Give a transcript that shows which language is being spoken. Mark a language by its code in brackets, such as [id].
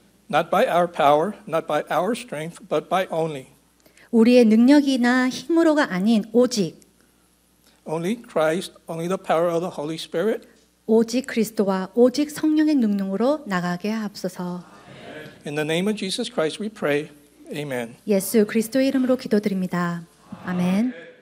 [en] Not by our power, not by our strength, but by only. [ko] 우리의 능력이나 힘으로가 아닌 오직. [en] Only Christ, only the power of the Holy Spirit. [ko] 오직 그리스도와 오직 성령의 능력으로 나가게 하옵소서. [en] In the name of Jesus Christ we pray. Amen. [ko] 예수 그리스도의 이름으로 기도드립니다. 아멘.